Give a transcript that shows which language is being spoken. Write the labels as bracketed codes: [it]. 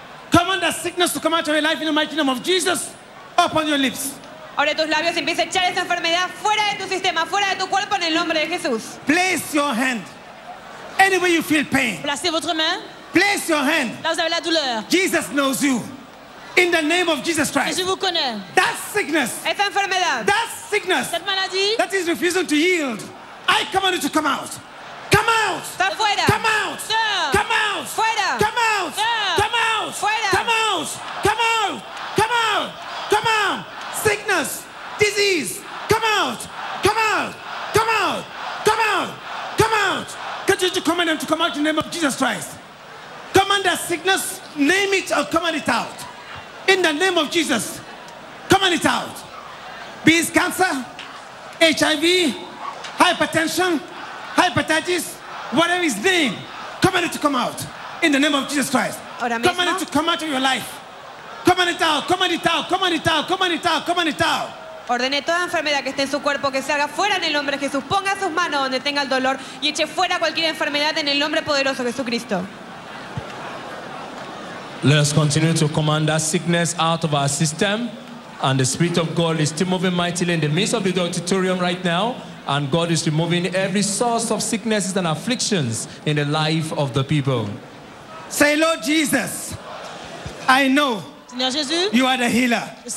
[en] Command that sickness to come out of your life in the mighty name of Jesus! Open your lips! [es] Abre tus labios y empieza a echar esa enfermedad fuera de tu sistema, fuera de tu cuerpo en el nombre de Jesús! [en] Place your hand anywhere you feel pain! [fr] Placez votre main! [en] Place your hand! [fr] Là vous avez la douleur! [en] Jesus knows you! In the name of Jesus Christ, [fr] Jésus vous connaît. [en] That sickness, [es] cette enfermedad, [en] that sickness, [fr] cette maladie, [en] that is refusing to yield, I command you to come out. Come out! [es] Está fuera. [en] Come out! [es] No. [en] Come out! [es] Fuera. [en] Come out! [es] No. [en] Come out! [es] Fuera. [en] Come out! Come out! Come out! Come out! Sickness, disease, come out! Come out! Come out! Come out! Come out! Can't you command them to come out in the name of Jesus Christ? Command that sickness, name it or command it out. In the name of Jesus, command it out. Be it cancer, HIV, hypertension, hepatitis, whatever his name, command it to come out in the name of Jesus Christ. Command it to come out of your life. Command it out, command it out, command it out, command it out, command it out. [es] Ordene toda enfermedad que esté en su cuerpo que salga fuera en el nombre de Jesús. Ponga sus manos donde tenga el dolor y eche fuera cualquier enfermedad en el nombre poderoso de Jesucristo. [en] Let us continue to command that sickness out of our system. And the Spirit of God is still moving mightily in the midst of the auditorium right now. And God is removing every source of sicknesses and afflictions in the life of the people. Say, Lord Jesus, I know you are the healer.